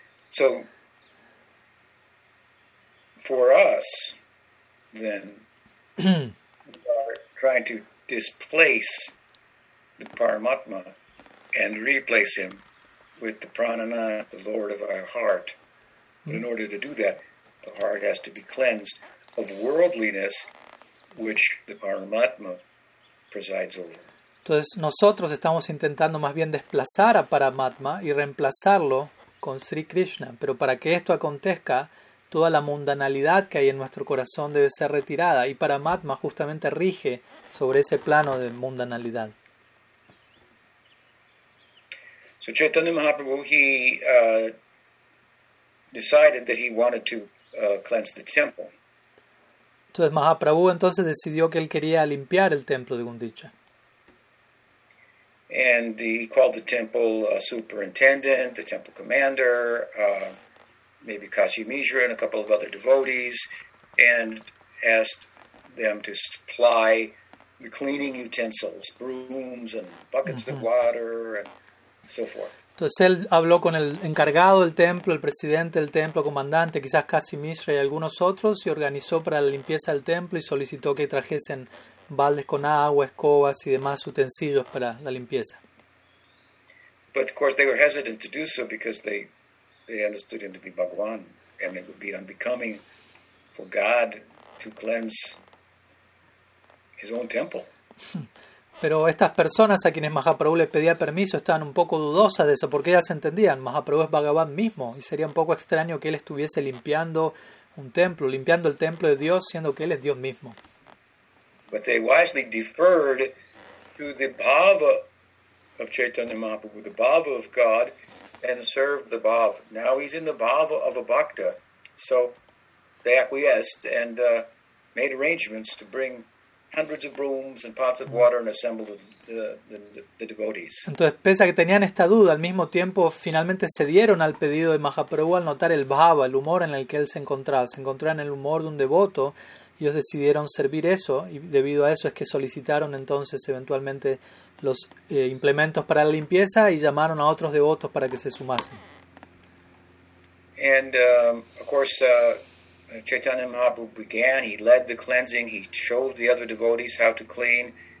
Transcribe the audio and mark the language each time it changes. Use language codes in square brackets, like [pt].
[en] So for us, then, we are trying to displace the Paramatma and replace him with the pranana, the Lord of our heart. But in order to do that, the heart has to be cleansed of worldliness, which the Paramatma presides over. [es] Entonces, nosotros estamos intentando más bien desplazar a Paramatma y reemplazarlo con Sri Krishna. Pero para que esto acontezca, toda la mundanalidad que hay en nuestro corazón debe ser retirada. Y Paramatma justamente rige sobre ese plano de mundanalidad. [en] So Chaitanya Mahaprabhu, he decided that he wanted to cleanse the temple. [es] Entonces Mahaprabhu entonces decidió que él quería limpiar el templo de Gundicha. [en] And he called the temple superintendent, the temple commander, maybe Kashi Mishra and a couple of other devotees, and asked them to supply the cleaning utensils, brooms and buckets of water and so forth. [es] Entonces él habló con el encargado del templo, el presidente del templo, comandante, quizás Kashi Mishra y algunos otros, y organizó para la limpieza del templo y solicitó que trajesen baldes con agua, escobas y demás utensilios para la limpieza. [en] But of course they were hesitant to do so because they understood him to be Bhagwan, and it would be unbecoming for God to cleanse his own temple. [es] Pero estas personas a quienes Mahaprabhu les pedía permiso estaban un poco dudosas de eso, porque ellas entendían, Mahaprabhu es Bhagavan mismo, y sería un poco extraño que él estuviese limpiando un templo, limpiando el templo de Dios, siendo que él es Dios mismo. [en] But they wisely deferred to the bhava of Chaitanya Mahaprabhu, the bhava of God, and served the bhava. Now he's in the bhava of a bhakta. So they acquiesced and made arrangements to bring hundreds of brooms and pots of water and assembled the devotees. [es] Entonces, pese a que tenían esta duda, al mismo tiempo finalmente cedieron al pedido de Mahaprabhu al notar el bhava, el humor en el que él se encontraba. Se encontró en el humor de un devoto ellos decidieron servir eso, y debido a eso es que solicitaron entonces eventualmente los implementos para la limpieza y llamaron a otros devotos para que se sumasen. [en] And of course Chaitanya Mahaprabhu began, he led the cleansing, he showed the other devotees how to clean.